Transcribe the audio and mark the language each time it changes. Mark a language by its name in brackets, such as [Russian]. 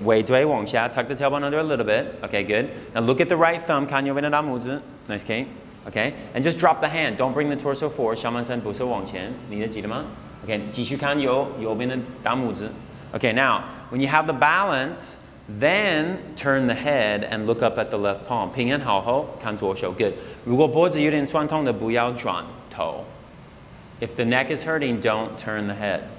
[Chinese] 尾椎往下 [English] tuck the tailbone under a little bit. Okay, good. Now look at the right thumb, [Chinese] 看右边的大拇指。 [English] Nice, Kate. Okay, and just drop the hand. Don't bring the torso forward, [Chinese] 上半身不是往前。你的记得吗？ Okay, 继续看右边的大拇指。 [English] Okay, now, when you have the balance, then turn the head and look up at the left palm. [Chinese] 平衡好后看左手 good. 如果脖子有点酸痛的不要转头。 [English] If the neck is hurting, don't turn the head.